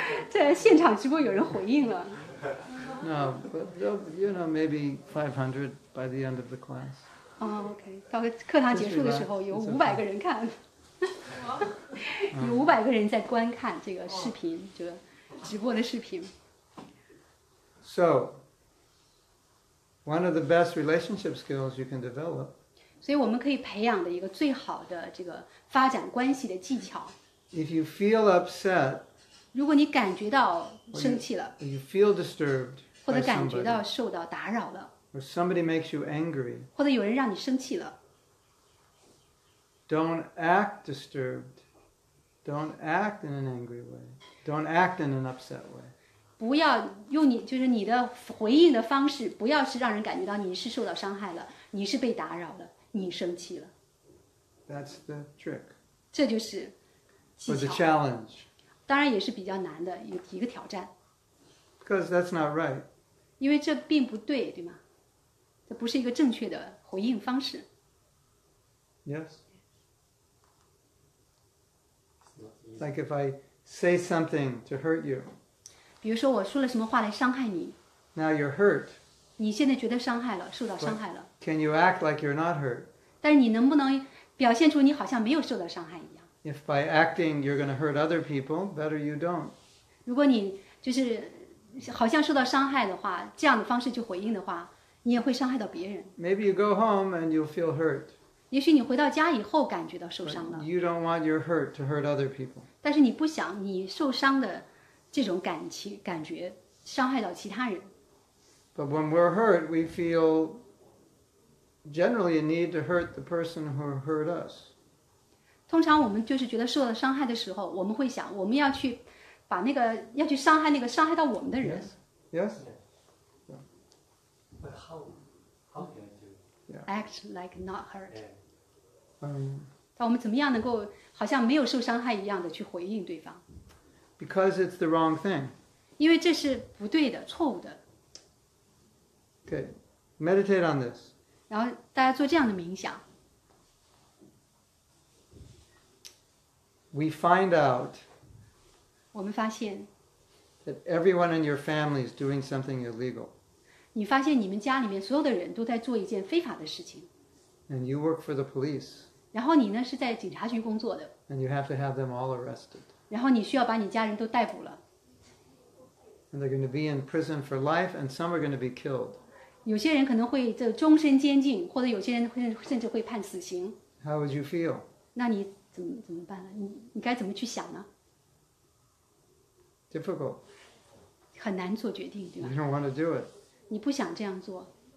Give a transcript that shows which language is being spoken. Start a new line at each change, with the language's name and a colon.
Chinese: 在现场直播有人回应了。
English: No, but you know, maybe 500 by the end of the class. Okay.
Chinese: 到课堂结束的时候，有500个人看。有500个人在观看这个视频，这个直播的视频。
English: So, one of the best relationship skills you can develop.
Chinese: 所以我们可以培养的一个最好的这个发展关系的技巧。
English: If you feel upset,
Chinese: 如果你感觉到生气了，
English: or you feel disturbed,
Chinese: 或者感觉到受到打扰了，
English: or somebody makes you angry,
Chinese: 或者有人让你生气了。
English: Don't act disturbed. Don't act in an angry way. Don't act in an upset way.
Chinese: 不要用你，就是你的回应的方式，不要是让人感觉到你是受到伤害了，你是被打扰了，你生气了。
English: That's the trick.
Chinese: 这就是技巧。
English: Or the challenge.
Chinese: 当然也是比较难的一个挑战。
English: Because that's not right.
Chinese: 因为这并不对，对吗？这不是一个正确的回应方式。
English: Yes. Like if I say something to hurt you.
Chinese: 比如说我说了什么话来伤害你。
English: Now you're hurt.
Chinese: 你现在觉得伤害了，受到伤害了。
English: Can you act like you're not hurt?
Chinese: 但是你能不能表现出你好像没有受到伤害一样？
English: If by acting you're going to hurt other people, better you don't.
Chinese: 如果你就是好像受到伤害的话，这样的方式去回应的话，你也会伤害到别人。
English: Maybe you go home and you'll feel hurt.
Chinese: 也许你回到家以后感觉到受伤了。
English: You don't want your hurt to hurt other people.
Chinese: 但是你不想你受伤的这种感觉伤害到其他人。
English: But when we're hurt, we feel generally a need to hurt the person who hurt us.
Chinese: 通常我们就是觉得受到伤害的时候，我们会想我们要去把那个要去伤害那个伤害到我们的人。
English: Yes. Yes. But how can I do? Act like not hurt.
Chinese: 但我们怎么样能够好像没有受伤害一样的去回应对方？
English: Because it's the wrong thing.
Chinese: 因为这是不对的，错误的。
English: Okay, meditate on this.
Chinese: 然后大家做这样的冥想。
English: We find out.
Chinese: 我们发现。
English: That everyone in your family is doing something illegal.
Chinese: 你发现你们家里面所有的人都在做一件非法的事情。
English: And you work for the police.
Chinese: 然后你呢是在警察局工作的。
English: And you have to have them all arrested.
Chinese: 然后你需要把你家人都逮捕了。
English: And they're going to be in prison for life, and some are going to be killed.
Chinese: 有些人可能会这终身监禁，或者有些人甚至会判死刑。
English: How would you feel?
Chinese: 那你怎么办呢？你该怎么去想呢？
English: Difficult.
Chinese: 很难做决定，对吧？
English: You don't want to do it.
Chinese: 你不想这样做。